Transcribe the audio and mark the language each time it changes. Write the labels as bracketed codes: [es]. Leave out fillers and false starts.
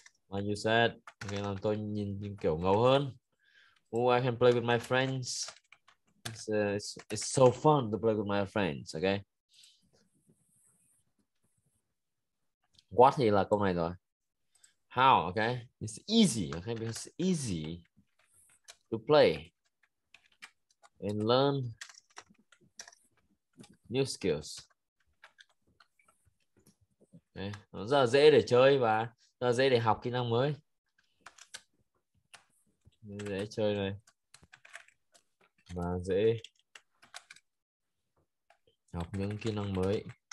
[en] Like you said, okay, [vi] làm tôi nhìn kiểu ngầu hơn. [en] Oh, I can play with my friends. It's so fun to play with my friends, okay? What [vi] thì là câu này rồi. [en] How, okay? It's easy, okay? Because it's easy to play and learn new skills. Okay. [vi] Nó rất là dễ để chơi và rất là dễ để học kỹ năng mới. Dễ chơi này và dễ học những kỹ năng mới.